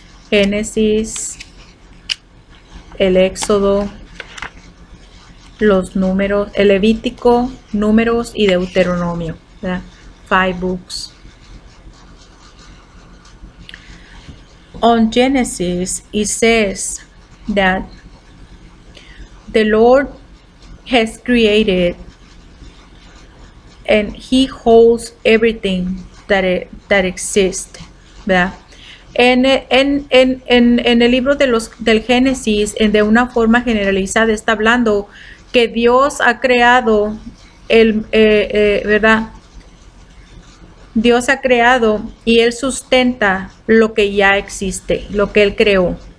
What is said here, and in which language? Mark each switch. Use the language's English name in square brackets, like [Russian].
[Spanish] Génesis, el Éxodo, los números, el Levítico, números y Deuteronomio, ¿verdad? [English] Five books. On Genesis, it says that the Lord has created and he holds everything that exists, ¿verdad? [Spanish] En el libro de del Génesis, de una forma generalizada, está hablando que Dios ha creado ¿verdad? Dios ha creado y él sustenta lo que ya existe, lo que él creó.